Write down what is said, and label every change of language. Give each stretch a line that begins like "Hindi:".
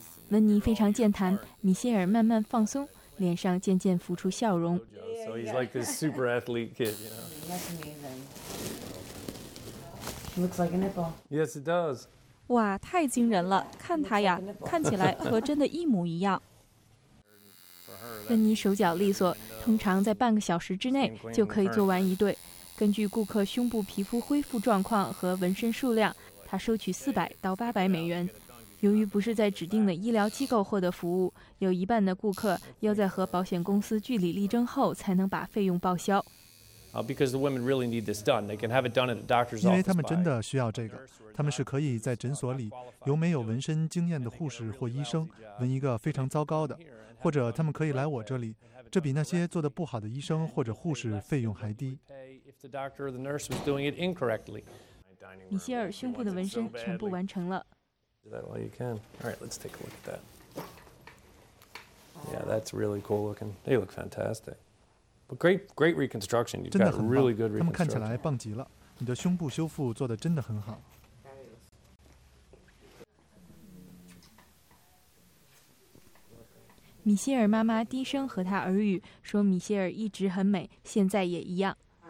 Chinese: 温妮非常健谈，米歇尔慢慢放松，脸上渐渐浮出笑容。
English: So he's like this super athlete kid, you know. That's amazing. Looks like a nipple. Yes, it does.
Chinese: 哇，太惊人了！看他呀，看起来和真的一模一样。温妮手脚利索，通常在半个小时之内就可以做完一对。根据顾客胸部皮肤恢复状况和纹身数量，他收取400到800美元。由于不是在指定的医疗机构获得服务，有一半的顾客要在和保险公司据理力争后才能把费用报销。因为他们真的需要这个，他们是可以在诊所里由没有纹身经验的护士或医生纹一个非常糟糕的，或者他们可以来我这里，这比那些做得不好的医生或者护士费用还低。米歇尔胸部的纹身全部完成了。
English: Do that while you can. All right, let's take a look at that. Yeah, that's really cool looking. They look fantastic. But great, great reconstruction. You've got really good reconstruction.
Chinese: 他们看起来棒极了。你的胸部修复做得真的很好。米歇尔妈妈低声和她耳语说：“米歇尔一直很美，现在也一样。”